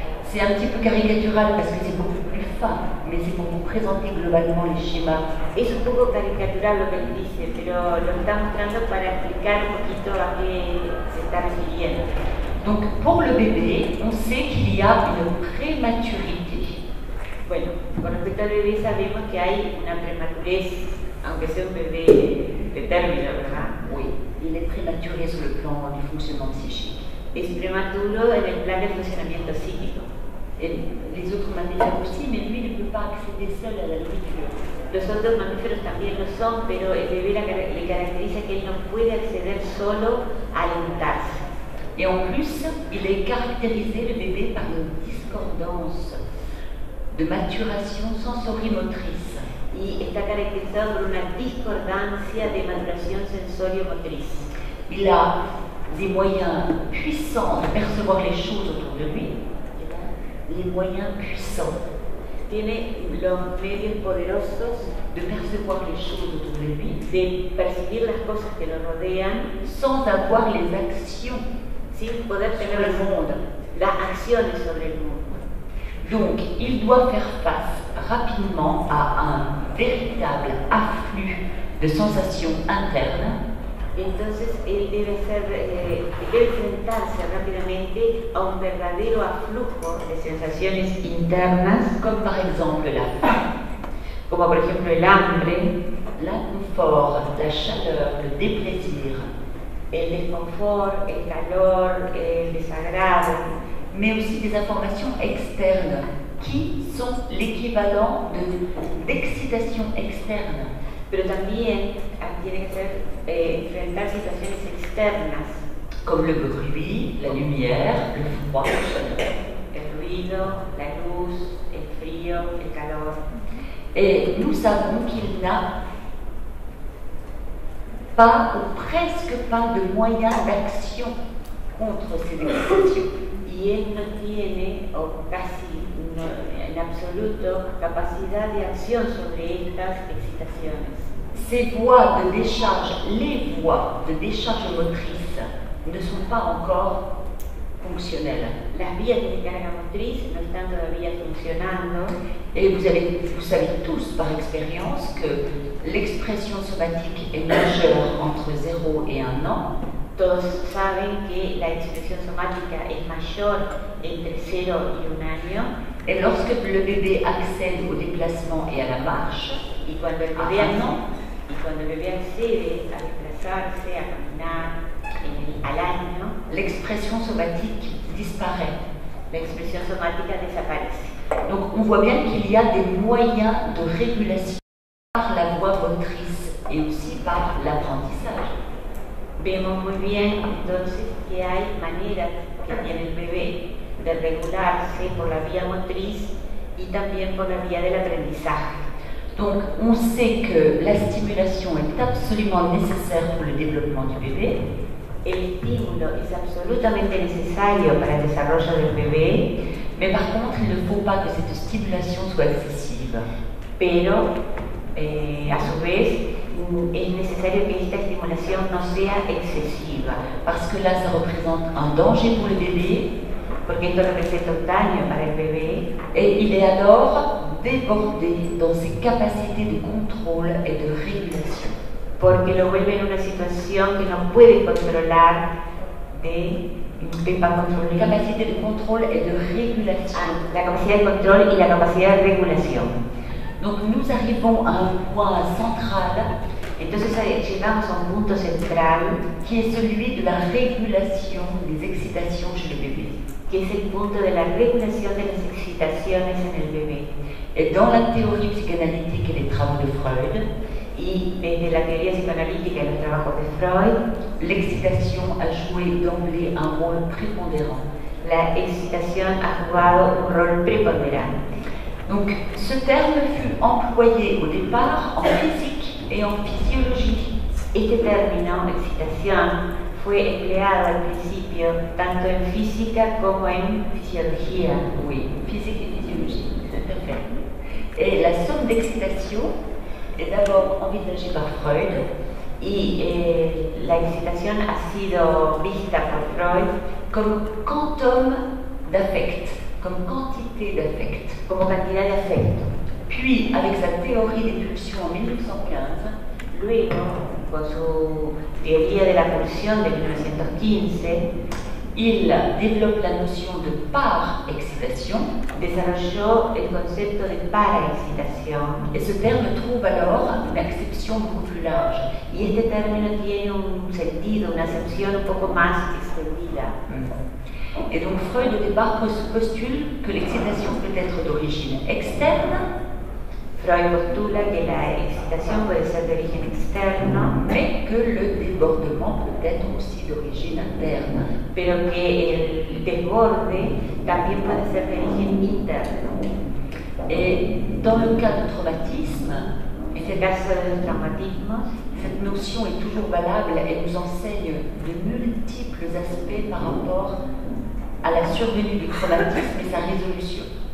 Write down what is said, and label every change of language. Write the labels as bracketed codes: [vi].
[fr] C'est un petit peu caricatural parce que c'est beaucoup plus fin, mais c'est pour vous présenter globalement les schémas. [es] Es un poco caricatural lo que él dice, pero lo está mostrando para explicar un poquito a qué se está refiriendo. [fr] Donc, pour le bébé, on sait qu'il y a une prématurité. [es] Bueno, con respecto al bébé, sabemos que hay una prematurez, aunque sea un bébé de término, ¿verdad? [fr] Oui, il est prématuré sur le plan du fonctionnement psychique. [es] Es prematuro en el plan de funcionamiento psíquico. [fr] Les autres mammifères aussi, mais lui ne peut pas accéder seul à la nourriture. [es] Los otros mamíferos también lo son, pero el bebé le caracteriza que él no puede acceder solo a alimentarse. [fr] Et en plus, il est caractérisé le bébé par une discordance de maturation sensorimotrice. [es] Y está caracterizado por una discordancia de maduración sensoriomotriz. [fr] Il a des moyens puissants de percevoir les choses autour de lui. Les moyens puissants. [es] Tiene los medios poderosos [fr] de percevoir les choses autour de lui. [es] De percibir las cosas que lo rodean [fr] sans avoir les actions. [es] Sin poder tener el mundo. Las acciones sobre el mundo. [fr] Donc, il doit faire face rapidement à un véritable afflux de sensations internes. [es] Entonces él debe enfrentarse rápidamente a un verdadero aflujo de sensaciones internas, como por ejemplo [fr] la faim, [es] como por ejemplo el hambre, [fr] l'inconfort, la chaleur, le déplaisir, [es] el desconfort, el calor, el desagrado, [fr] mais aussi des informations externes qui sont l'équivalent de d'excitation externe. [es] Pero también tiene que ser enfrentar situaciones externas [fr] comme le bruit, la lumière, le froid, [es] el ruido, la luz, el frío, el calor. [fr] Et nous savons qu'il n'a pas ou presque pas de moyens d'action contre ces excitations. [es] Y él no tiene o casi no, en absoluto capacidad de acción sobre estas excitaciones. [fr] Ces voies de décharge, les voies de décharge motrice ne sont pas encore fonctionnelles. [es] Las vías de descarga motriz no están todavía funcionando. [fr] Et vous savez tous par expérience que l'expression somatique est majeure entre 0 et 1 an. [es] Todos saben que la expresión somática es mayor entre 0 y 1 año. [fr] Et lorsque le bébé accède au déplacement et à la marche, [es] y cuando el bebé accede, y cuando el bebé accede a desplazarse, a caminar al año, [fr] l'expression somatique disparaît. L'expression somatique [es] desaparece. [fr] Donc on voit bien qu'il y a des moyens de régulation par la voie motrice et aussi par l'apprentissage. [es] Vemos muy bien entonces que hay maneras que tiene el bebé de regularse por la vía motriz y también por la vía del aprendizaje. [fr] Donc on sait que la stimulation est absolument nécessaire pour le développement du bébé. [es] El estímulo es absolutamente necesario para el desarrollo del bebé. [fr] Mais par contre, il ne faut pas que cette stimulation soit excessive. [es] Pero, a su vez, es necesario que esta estimulación no sea excesiva. [fr] Parce que là, ça représente un danger pour le bébé. [es] Porque esto representa un daño para el bebé. [fr] Et il est alors débordé dans ses capacités de contrôle et de régulation. [es] Porque lo vuelve en una situación que no puede controlar de... [fr] La capacité de contrôle et de régulation. Ah, la capacité de contrôle et la capacité de régulation. Donc nous arrivons à un point central. [es] Entonces llegamos a un punto central [fr] qui est celui de la régulation des excitations chez le bébé. [es] Que es el punto de la regulación de las excitaciones en el bebé. [fr] Et dans la théorie psychanalytique et les travaux de Freud, [es] y desde la teoría psicoanalítica y los trabajos de Freud, [fr] l'excitation a joué d'emblée un rôle prépondérant. [es] La excitación ha jugado un rol preponderante. [fr] Donc, ce terme fut employé au départ en physique et en physiologie. [es] Este término, excitación, fue empleado al principio tanto en física como en fisiología. [fr] Oui, physique et physiologie. Et la somme d'excitation est d'abord envisagé par Freud. [es] Et la excitation a sido vista par Freud [fr] comme quantum d'affect, comme quantité d'affect, [es] como cantidad de afecto. [fr] Puis, avec sa théorie des pulsions en 1915, [es] luego, con su teoría de la pulsión de 1915, [fr] il développe la notion de par-excitation. [es] Desarrolló el concepto de para-excitación. [fr] Et ce terme trouve alors une acception beaucoup plus large. [es] Y este término tiene un sentido, una acepción un poco más extendida. [fr] Et donc Freud, au départ, postule que l'excitation peut être d'origine externe. [es] Freud postula que la excitación puede ser de origen externo, [fr] mais que le débordement peut être aussi d'origine interne. [es] Pero que el desborde también puede ser de origen interno. [fr] Et dans le cas du traumatisme, [es] en el caso del traumatismo, [fr] cette notion est toujours valable et nous enseigne de multiples aspects par rapport à la survenue du traumatisme et sa résolution.